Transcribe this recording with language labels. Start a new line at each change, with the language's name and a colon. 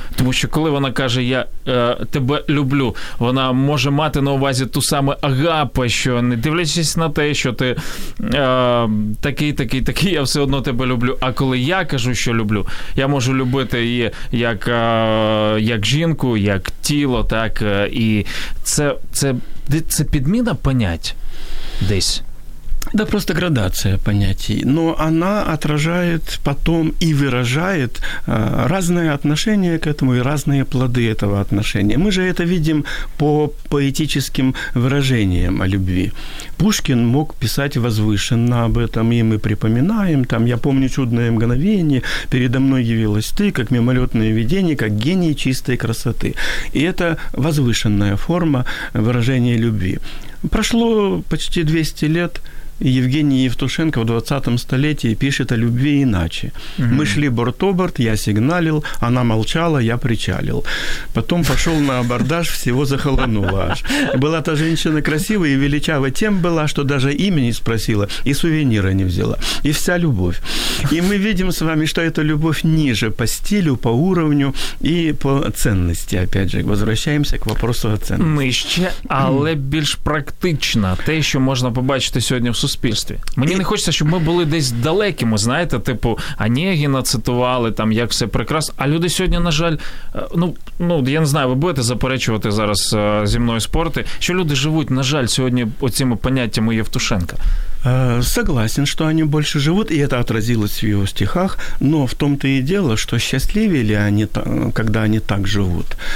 Ukrainian: Тому що коли вона каже «я тебе люблю», вона може мати на увазі ту саме агапу, що не дивлячись на те, що ти такий, я все одно тебе люблю. А коли я кажу, що люблю, я можу любити її як жінку, як тіло, так, і це підміна понять десь.
Russian: Да, просто градация понятий. Но она отражает потом и выражает разные отношения к этому и разные плоды этого отношения. Мы же это видим по поэтическим выражениям о любви. Пушкин мог писать возвышенно об этом, и мы припоминаем, там, «Я помню чудное мгновение, передо мной явилась ты, как мимолетное видение, как гений чистой красоты». И это возвышенная форма выражения любви. Прошло почти 200 лет, и Евгений Евтушенко в 20-м столетии пишет о любви иначе. Угу. «Мы шли борт-оборт, я сигналил, она молчала, я причалил. Потом пошел на абордаж, всего захолонуло аж. Была та женщина красивая и величава тем была, что даже имени спросила и сувенира не взяла. И вся любовь». И мы видим с вами, что эта любовь ниже по стилю, по уровню и по ценности. Опять же, возвращаемся к вопросу о ценности.
Ukrainian: Ниже, але більш практично. Те, що можна побачити сьогодні в суспільстві. Мені не хочеться, щоб ми були десь далекими, знаєте, типу Онегіна цитували, там, як все прекрасно. А люди сьогодні, на жаль, я не знаю, ви будете заперечувати зараз зі мною спорти, що люди живуть, на жаль, сьогодні оціми поняттями Євтушенка.
Russian: Согласен, что они больше живут, и это отразилось в его стихах, но в том-то и дело, что счастливее ли они, когда они так живут.